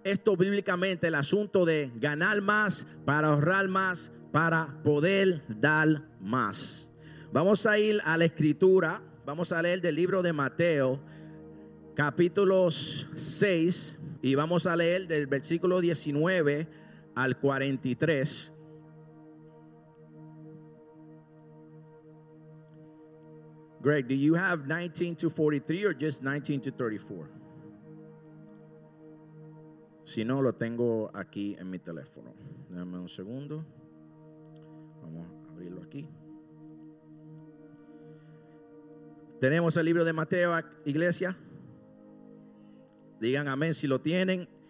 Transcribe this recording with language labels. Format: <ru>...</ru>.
<es>esto bíblicamente, el asunto de ganar más para ahorrar más, para poder dar más. Vamos a ir a la escritura, vamos a leer del libro de Mateo, capítulo 6, y vamos a leer del versículo 19 al 43.</es> <en>Greg, do you have 19 to 43 or just 19 to 34?</en> <es>Si no, lo tengo aquí en mi teléfono. Dame un segundo. Vamos a abrirlo aquí. Tenemos el libro de Mateo, iglesia. Digan amén si lo tienen.</es>